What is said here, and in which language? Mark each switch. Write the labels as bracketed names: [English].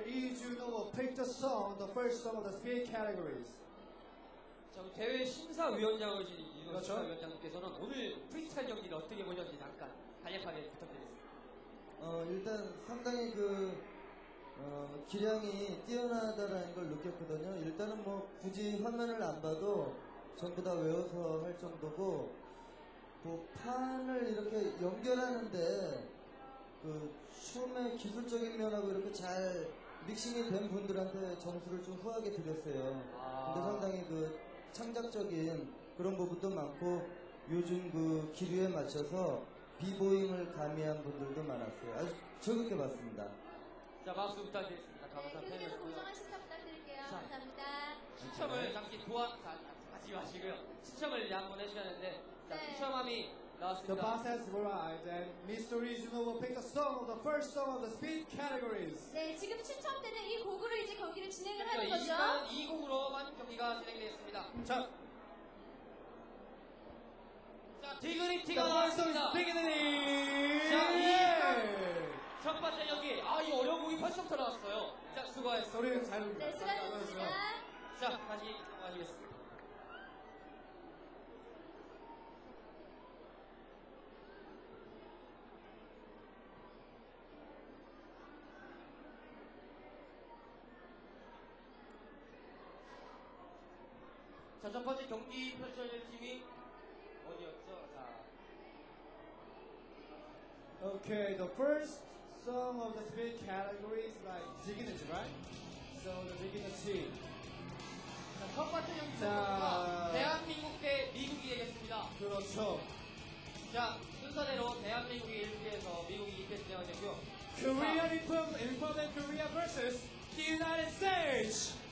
[English] Lee Juno, will pick the song, the first song of the three categories. [Korean] 자, 대회 심사위원장이신 이노 심사위원장님께서는 오늘 프리스타일 경기를 어떻게 보셨는지 잠깐 간략하게 부탁드리겠습니다. 일단 상당히 그 기량이 뛰어나다라는 걸 느꼈거든요. 일단은 뭐 굳이 화면을 안 봐도 전부 다 외워서 할 정도고, 뭐 판을 이렇게 연결하는데 그 춤의 기술적인 면하고 이렇게 잘 믹싱이 된 분들한테 점수를 좀 후하게 드렸어요. 근데 상당히 그 창작적인 그런 부분도 많고, 요즘 그 기류에 맞춰서 비보잉을 가미한 분들도 많았어요. 아주 즐겁게 봤습니다. 자, 박수 부탁드리겠습니다. 감사합니다. 네, 그리고 공정하신 점 부탁드릴게요. 자, 감사합니다. 추첨을 잠시 하지 마시고요. 추첨을 한번 해주셨는데, 자, 추첨함이 나왔습니다. [English] The bus has arrived and Mr. Regional will pick the song of the first song of the speed categories. [Korean] 네, 지금 추첨되는 이 곡으로 이제 경기를 진행을 하는 거죠. 이 곡으로만 경기가 진행되었습니다. 자, 자, 디그니티가 나왔습니다. [English] The first song is Dignity. [Korean] 첫 번째 경기, 아, 이 어려운 곡이 벌써부터 나왔어요. 자, 수고하셨습니다. 소리는 잘 들립니다. 네, 수고하셨습니다. 자, 다시 가겠습니다. 자, 첫 번째 경기 펼쳐질 팀이 어디였죠? 자, [English] okay, the first song of the speed category is by Dignity, right? So the Dignity. [Korean] 자, 첫 번째 경기 대한민국 대 미국이 되겠습니다. 그렇죠. 자, 순서대로 대한민국이 1위에서 미국이 2위에 진행하겠고요. [English] Korea Republic and Korea versus United States.